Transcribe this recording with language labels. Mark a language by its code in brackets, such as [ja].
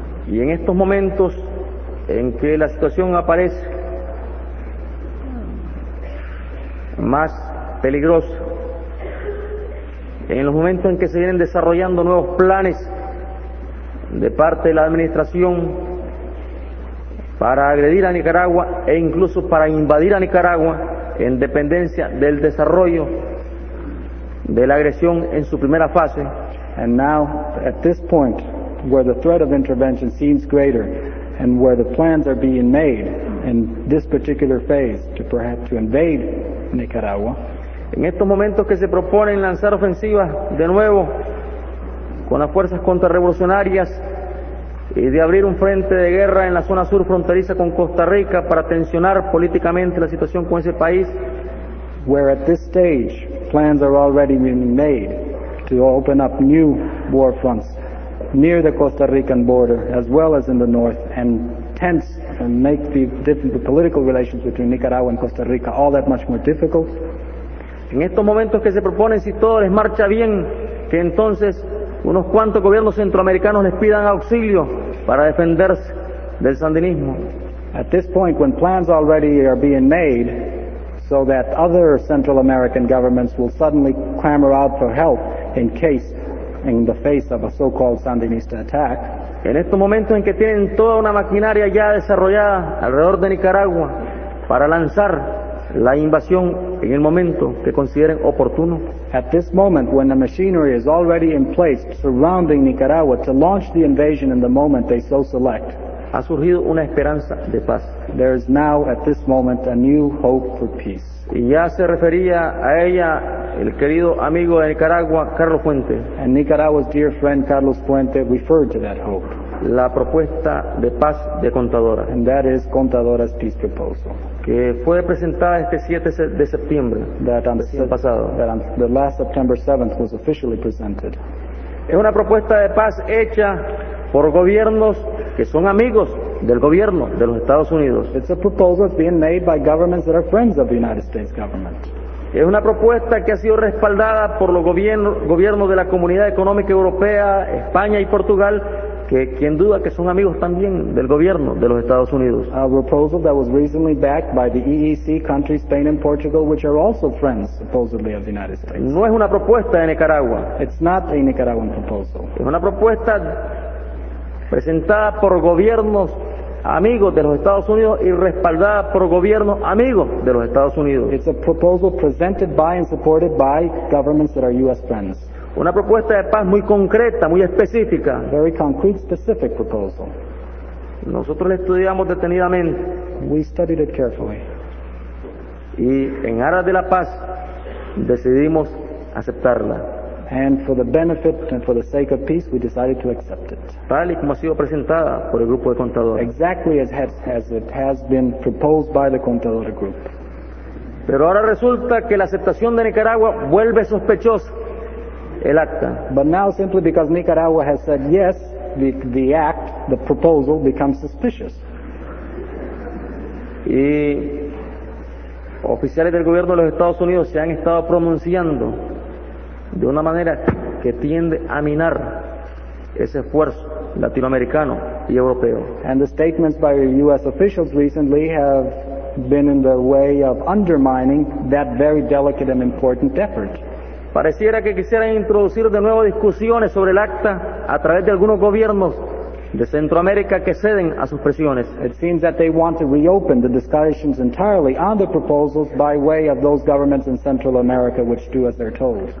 [es] Y en estos momentos en que la situación aparece más peligrosa, en los momentos en que se vienen desarrollando nuevos planes de parte de la administración para agredir a Nicaragua e incluso para invadir a Nicaragua en dependencia del desarrollo de la agresión en su primera fase. [en] And now, at this point, where the threat of intervention seems greater and where the plans are being made in this particular phase to perhaps to invade Nicaragua, [es] en estos momentos que se proponen lanzar ofensivas de nuevo con las fuerzas contrarrevolucionarias y de abrir un frente de guerra en la zona sur fronteriza con Costa Rica para tensionar políticamente la situación con ese país, [en] where at this stage plans are already being made to open up new war fronts near the Costa Rican border as well as in the north and tense and make the political relations between Nicaragua and Costa Rica all that much more difficult. [es] En estos momentos que se proponen, si todo les marcha bien, que entonces unos cuantos gobiernos centroamericanos les pidan auxilio para defenderse del sandinismo. [en] At this point, when plans already are being made so that other Central American governments will suddenly clamor out for help in case, in the face of a so-called Sandinista attack. [es] En estos momentos en que tienen toda una maquinaria ya desarrollada alrededor de Nicaragua para lanzar la invasión en el momento que consideren oportuno. [en] At this moment, when the machinery is already in place surrounding Nicaragua to launch the invasion in the moment they so select, [es] ha surgido una esperanza de paz. [en] There is now, at this moment, a new hope for peace. [es] Y ya se refería a ella el querido amigo de Nicaragua, Carlos Fuente. [en] And Nicaragua's dear friend, Carlos Fuente, referred to that hope. [es] La propuesta de paz de Contadora. [en] And that is Contadora's peace proposal. [es] Que fue presentada este 7 de septiembre, [en] the last September 7th was officially presented. [es] Es una propuesta de paz hecha por gobiernos que son amigos del gobierno de los Estados Unidos. [en] It's a proposal being made by governments that are friends of the United States government. [es] Es una propuesta que ha sido respaldada por los gobiernos de la Comunidad Económica Europea, España y Portugal, que quien duda que son amigos también del gobierno de los Estados Unidos. [en] A proposal that was recently backed by the EEC countries, Spain and Portugal, which are also friends, supposedly, of the United States. [es] No es una propuesta de Nicaragua. [en] It's not a Nicaraguan proposal. [es] Es una propuesta presentada por gobiernos amigos de los Estados Unidos y respaldada por gobiernos amigos de los Estados Unidos. [en] It's a proposal presented by and supported by governments that are U.S. friends. [es] Una propuesta de paz muy concreta, muy específica. [en] Very concrete, specific proposal. [es] Nosotros la estudiamos detenidamente. [en] We studied it carefully. [es] Y en aras de la paz decidimos aceptarla. [en] And for the benefit and for the sake of peace, we decided to accept it. [es] Tal y como ha sido presentada por el grupo de contadores. [en] Exactly as it has been proposed by the Contadora group. [es] Pero ahora resulta que la aceptación de Nicaragua vuelve sospechosa. El acta. [en] But now, simply because Nicaragua has said yes, the act, the proposal, becomes suspicious. [es] Y oficiales del gobierno de los Estados Unidos se han estado pronunciando de una manera que tiende a minar ese esfuerzo latinoamericano y europeo. [en] And the statements by U.S. officials recently have been in the way of undermining that very delicate and important effort. [es] Pareciera que quisieran introducir de nuevo discusiones sobre el acta a través de algunos gobiernos de Centroamérica que ceden a sus presiones. [en] It seems that they want to reopen the discussions entirely on the proposals by way of those governments in Central America which do as they're told.